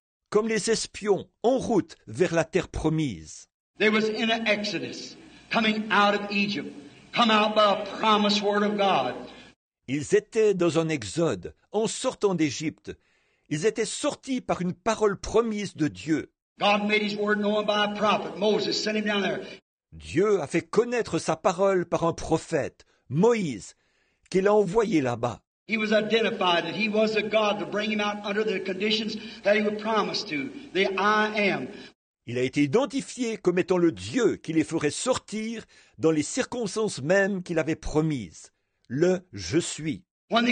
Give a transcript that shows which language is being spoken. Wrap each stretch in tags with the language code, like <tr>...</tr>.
<fr>Comme les espions en route vers la terre promise.</fr> <en>There was an exodus coming out of Egypt. Come out by a promised word of God.</en> <fr>Ils étaient dans un exode, en sortant d'Égypte. Ils étaient sortis par une parole promise de Dieu.</fr> <en>God made his word known by a prophet. Moses sent him down there.</en> <fr>Dieu a fait connaître sa parole par un prophète, Moïse, qu'il a envoyé là-bas.</fr> <en>He was identified that he was a God to bring him out under the conditions that he would promise to, the I am.</en> <fr>Il a été identifié comme étant le Dieu qui les ferait sortir dans les circonstances mêmes qu'il avait promises. Le « Je suis ».</fr>